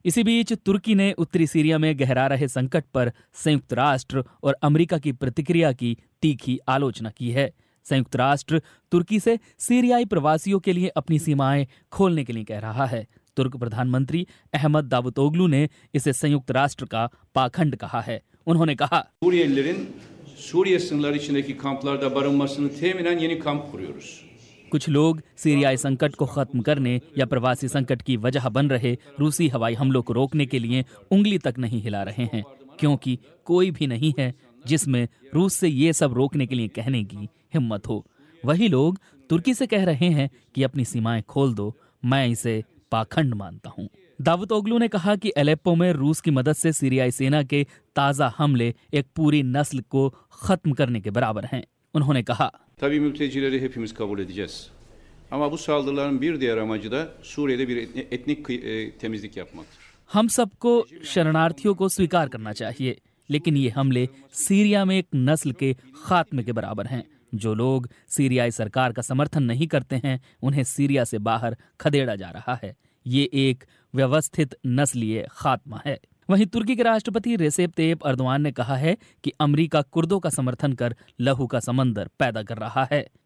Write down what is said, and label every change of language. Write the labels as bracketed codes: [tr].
[hi] इसी बीच तुर्की ने उत्तरी सीरिया में गहरा रहे संकट पर संयुक्त राष्ट्र और अमरीका की प्रतिक्रिया की तीखी आलोचना की है। संयुक्त राष्ट्र तुर्की से सीरियाई प्रवासियों के लिए अपनी सीमाएं खोलने के लिए कह रहा है। तुर्क प्रधानमंत्री अहमद दावुतोग्लू ने इसे संयुक्त राष्ट्र का पाखंड कहा है। उन्होंने कहा, [tr] Suriye sınırları içindeki kamplarda barınmasını teminen yeni kamp kuruyoruz. [hi] कुछ लोग सीरियाई संकट को खत्म करने या प्रवासी संकट की वजह बन रहे रूसी हवाई हमलों को रोकने के लिए उंगली तक नहीं हिला रहे हैं, क्योंकि कोई भी नहीं है जिसमें रूस से ये सब रोकने के लिए कहने की हिम्मत हो। वही लोग तुर्की से कह रहे हैं कि अपनी सीमाएं खोल दो, मैं इसे पाखंड मानता हूँ। दावुतोग्लू ने कहा कि अलेप्पो में रूस की मदद से सीरियाई सेना के ताजा हमले एक पूरी नस्ल को खत्म करने के बराबर हैं। उन्होंने कहा, [tr] Tabii mültecileri hepimiz kabul edeceğiz. Ama bu saldırıların bir diğer amacı da Suriye'de bir etnik temizlik yapmaktır. [hi] हम सबको शरणार्थियों को स्वीकार करना चाहिए, लेकिन ये हमले सीरिया में एक नस्ल के खात्मे के बराबर हैं। जो लोग सीरियाई सरकार का समर्थन नहीं करते हैं, उन्हें सीरिया से बाहर खदेड़ा जा रहा है। ये एक व्यवस्थित नस्लीय खात्मा है। वहीं तुर्की के राष्ट्रपति रेसेप तैयब अर्दोगान ने कहा है कि अमरीका कुर्दों का समर्थन कर लहू का समंदर पैदा कर रहा है।